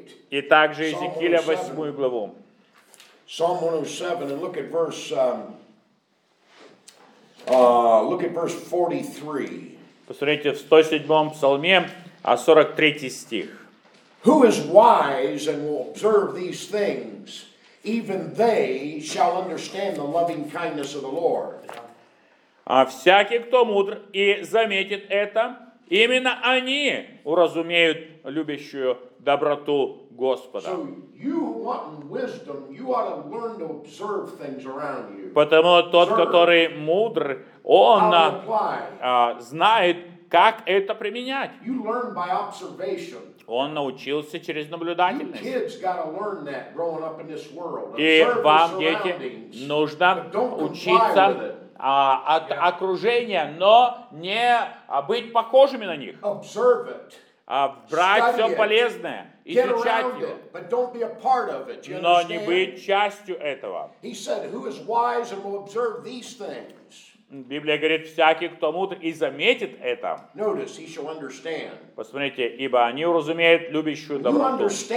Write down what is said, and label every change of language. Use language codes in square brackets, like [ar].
[ru] И также Иезекииля 8 главу. [en] Psalm 107, and look at verse, look at verse 43. [ru] Посмотрите, в 107-м псалме, а 43 стих. [en] Who is wise and will observe these things, even they shall understand the loving kindness of the Lord. [ru] А всякий, кто мудр и заметит это, именно они уразумеют любящую доброту Господа. [en] So you want wisdom, you ought to learn to observe things around you. [ru] Потому тот, который мудр, он знает, как это применять? [en] You learn by observation. [ru] Он научился через наблюдательность. [en] You kids gotta learn that growing up in this world. [ru] И вам, дети, нужно учиться от окружения, но не быть похожими на них. [en] Observe it. [ru] Брать все полезное, изучать его, [en] but don't be a part of it, [ru] но не быть частью этого. [en] He said, who is wise and will observe these things? [ru] Библия говорит, всякий, кто мудр и заметит это. [en] Notice, he shall understand. [ru] Посмотрите, ибо они уразумеют любящую доброту.